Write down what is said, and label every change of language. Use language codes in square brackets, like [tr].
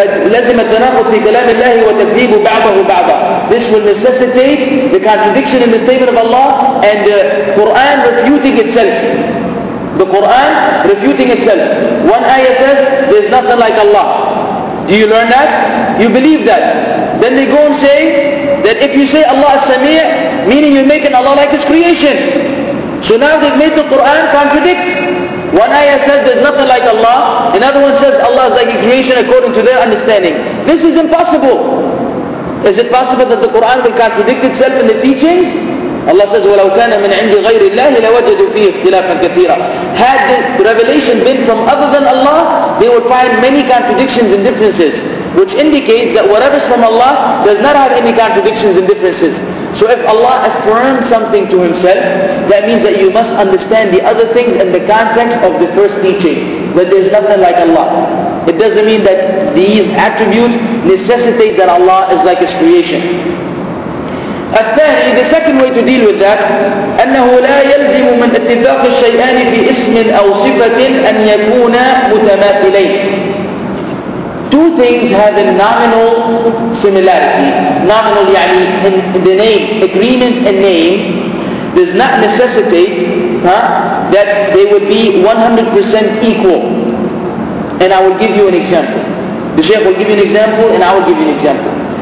[ar] لزم التناقض في كلام الله وتكذيب بعضه بعضا. [en] This will necessitate the contradiction in the statement of Allah and the Quran refuting itself. The Quran refuting itself. One ayah says, there's nothing like Allah. Do you learn that? You believe that. Then they go and say that if you say Allah is Sami', meaning you're making Allah like His creation. So now they've made the Quran contradict. One ayah says there's nothing like Allah. Another one says Allah is like a creation according to their understanding. This is impossible. Is it possible that the Quran will contradict itself in the teachings? Allah says, [ar] وَلَوْ كَانَ مِنْ عِنْدِ غَيْرِ اللَّهِ لَوَجَدُوا فِيهِ اخْتِلَافًا كَثِيرًا. [en] Had the revelation been from other than Allah, they would find many contradictions and differences. which indicates that whatever is from Allah does not have any contradictions and differences. So if Allah affirmed something to Himself, that means that you must understand the other things in the context of the first teaching, that there is nothing like Allah. It doesn't mean that these attributes necessitate that Allah is like His creation. The second way to deal with that, [ar] أَنَّهُ لَا يَلْزِمُ مِنْ اتِّفَاقِ الشَّيْئَانِ فِي إِسْمٍ أَوْ صِفَةٍ أَنْ يَكُونَ مُتَمَاثِلَيْنِ. [en] Two things have a nominal similarity. Nominal, يعني in the name, agreement in name, does not necessitate that they would be 100% equal. And I will give you an example. The Shaykh will give you an example, and I will give you an example.